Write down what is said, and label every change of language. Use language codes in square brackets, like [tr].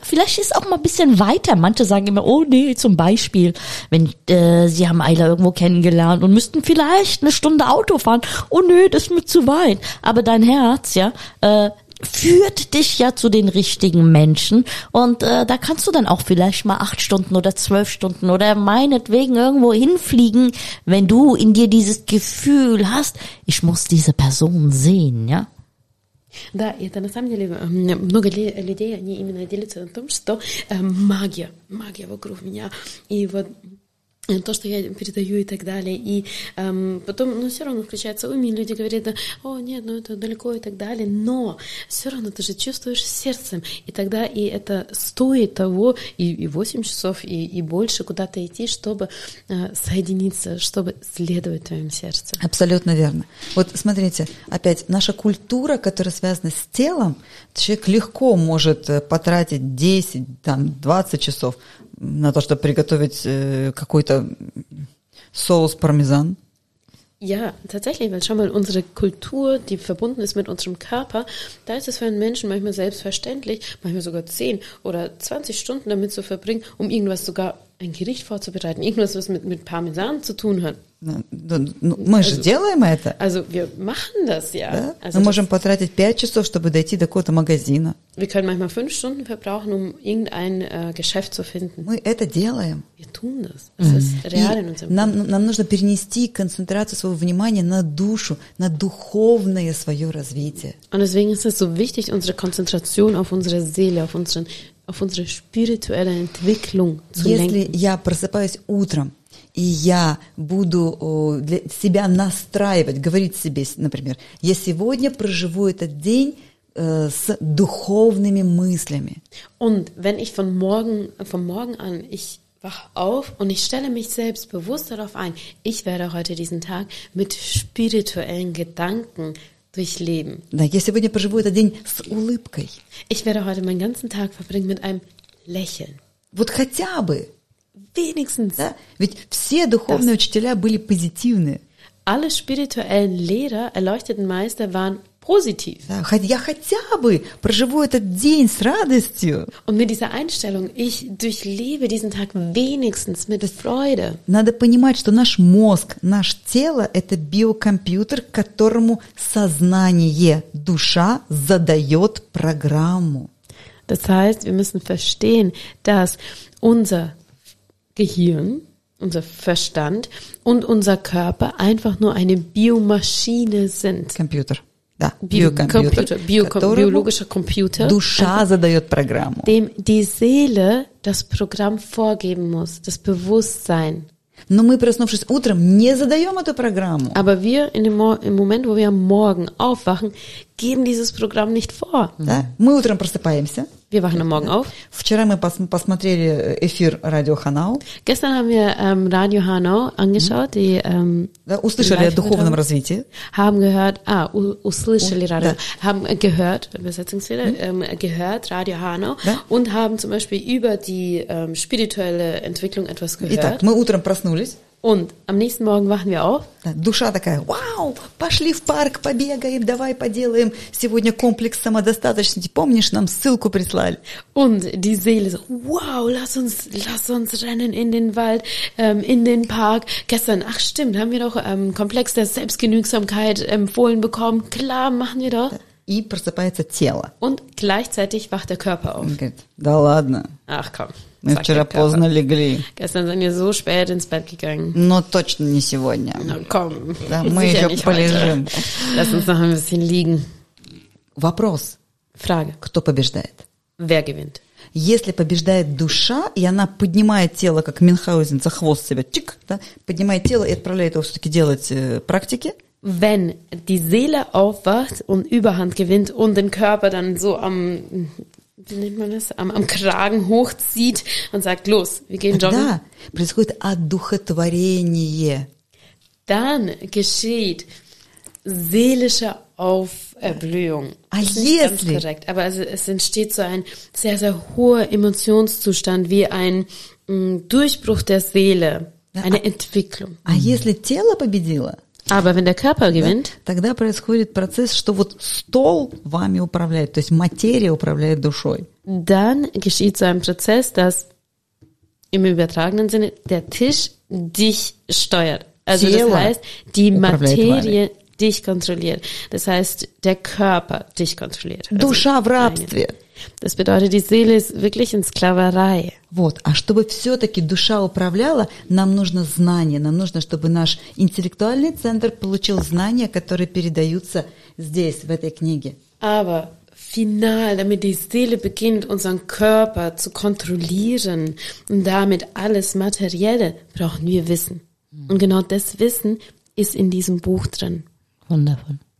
[de] Vielleicht ist auch mal ein bisschen weiter. Manche sagen immer, oh nee, zum Beispiel, wenn sie haben Ayla irgendwo kennengelernt und müssten vielleicht eine Stunde Auto fahren. Oh nee, das ist mir zu weit. Aber dein Herz, ja, führt dich ja zu den richtigen Menschen. Und da kannst du dann auch vielleicht mal 8 Stunden oder 12 Stunden oder meinetwegen irgendwo hinfliegen, wenn du in dir dieses Gefühl hast, ich muss diese Person sehen, ja? [ru] Да, это на самом деле много людей, они именно делятся на том, что магия вокруг меня, и вот то, что я передаю и так далее. И потом, ну, все равно включается ум, и люди говорят, да, о, нет, ну, это далеко и так далее. Но все равно ты же чувствуешь сердцем. И тогда и это стоит того, и 8 часов, и больше куда-то идти, чтобы соединиться, чтобы следовать твоему сердцу. Абсолютно верно. Вот смотрите, опять, наша культура, которая связана с телом, человек легко может потратить 10, там, 20 часов, на то, чтобы приготовить какой-то соус пармезан. [de] Ja, tatsächlich, weil schau mal, unsere Kultur, die verbunden ist mit unserem Körper, da ist es für einen Menschen manchmal selbstverständlich, manchmal sogar 10 oder 20 Stunden damit zu verbringen, um irgendwas sogar ein Gericht vorzubereiten, irgendwas, was mit Parmesan zu tun hat. [ru] Мы же делаем это. [de] Also wir machen das, ja. [ru] Да? Мы можем потратить 5 часов, чтобы дойти до какого-то магазина. [de] Wir können manchmal 5 Stunden verbrauchen, um irgendein Geschäft zu finden. [ru] Мы это делаем. [de] Wir tun das. Das ist real in unserem [ru] нам нужно перенести концентрацию своего внимания на душу, на духовное свое развитие. [de] Und deswegen ist es so wichtig, unsere Konzentration auf unsere Seele, auf unsere spirituelle Entwicklung zu [ru] Если [de] lenken. [ru] Я просыпаюсь утром, и я буду для себя настраивать, говорить себе, например, я сегодня проживу этот день с духовными мыслями. [de] Und wenn ich von morgen an, ich wach auf und ich stelle mich selbst bewusst darauf ein, ich werde heute diesen Tag mit spirituellen Gedanken durchleben. [ru] Да, я сегодня проживу этот день с улыбкой. [de] Ich werde heute meinen ganzen Tag verbringen mit einem Lächeln. [ru] Вот хотя бы. [de] Wenigstens. [ru] Да? Ведь все духовные учителя были позитивны. [de] Alle spirituellen Lehrer, erleuchteten Meister waren positiv. [ru] Да, я хотя бы проживу этот день с радостью. [de] Und mit dieser Einstellung, ich durchlebe diesen Tag wenigstens mit Freude. [ru] Надо понимать, что наш мозг, наше тело – это биокомпьютер, которому сознание, душа задает программу. [de] Das heißt, wir müssen verstehen, dass unser Gehirn, unser Verstand und unser Körper einfach nur eine Biomaschine sind. Computer. [ru] Да, Biocomputer. [de] Biologischer Computer. [ru] Душа задает программу. [de] Dem die Seele das Programm vorgeben muss, das Bewusstsein. [ru] Но мы, проснувшись утром, не задаем эту программу. [de] Aber wir im Moment, wo wir am Morgen aufwachen, geben dieses Programm nicht vor. [ru] Да? Мы утром просыпаемся. [de] Wir wachen am Morgen auf. [ru] Вчера мы посмотрели эфир Радио Ханау. [de] Gestern haben wir Radio Hanau angeschaut. Mm-hmm. [ru] Да, услышали о духовном развитии. [de] Haben gehört, [ru] услышали [de] Radio. [ru] Да. [de] Haben gehört, Übersetzungsfehler, mm-hmm. gehört Radio Hanau. [ru] Да? [de] Und haben zum Beispiel über die spirituelle Entwicklung etwas gehört. [ru] Итак, мы утром проснулись. [de] Und am nächsten Morgen wachen wir auf. [ru] Да, душа такая, вау, пошли в парк, побегаем, давай поделаем сегодня комплекс самодостаточности. Помнишь, нам ссылку прислали? [de] Und die Seele so, wow, lass uns rennen in den Wald, in den Park. Gestern, ach stimmt, haben wir doch Komplex der Selbstgenügsamkeit empfohlen bekommen. Klar, machen wir doch. [ru] И просыпается тело. [de] Und gleichzeitig wacht der Körper auf. [ru] Говорит, да ладно. [de] Ach komm. [ru] Мы вчера поздно легли. [de] Gestern sind wir so spät ins Bett gegangen. [ru] Но точно не сегодня. [de] No, komm. [ru] Да, мы еще полежим. [de] Lass uns noch ein bisschen liegen. [ru] Вопрос. [de] Frage. [ru] Кто побеждает? [de] Wer gewinnt? [ru] Если побеждает душа, и она поднимает тело, как Мюнхгаузен за хвост себя, тик, да, поднимает тело и отправляет его все-таки делать практики. [de] Wenn die Seele aufwacht und Überhand gewinnt und den Körper dann so am, wie nennt man das, am Kragen hochzieht und sagt, los, wir gehen joggen. [ru] Да, происходит одухотворение. [de] Dann geschieht seelische Auferblühung. Das ist nicht ganz korrekt, aber es entsteht so ein sehr, sehr hoher Emotionszustand, wie ein Durchbruch der Seele, eine Entwicklung. [ru] А если тело победило? [de] Aber wenn der Körper gewinnt, [ru] да, тогда происходит процесс, что вот стол вами управляет, то есть материя управляет душой. [de] Dann geschieht so ein Prozess, dass im übertragenen Sinne der Tisch dich steuert. Also [ru] тело [de] das heißt, die Materie, dich kontrolliert. Das heißt, der Körper dich kontrolliert. [ru] Also Душа в рабстве. [de] Das bedeutet, die Seele ist wirklich in Sklaverei. [ru] Вот. А чтобы все-таки душа управляла, нам нужно знание. Нам нужно, чтобы наш интеллектуальный центр получил знания, которые передаются здесь, в этой книге. [de] Aber final, damit die Seele beginnt, unseren Körper zu kontrollieren und damit alles Materielle, brauchen wir Wissen. Und genau das Wissen ist in diesem Buch drin. Wundervoll.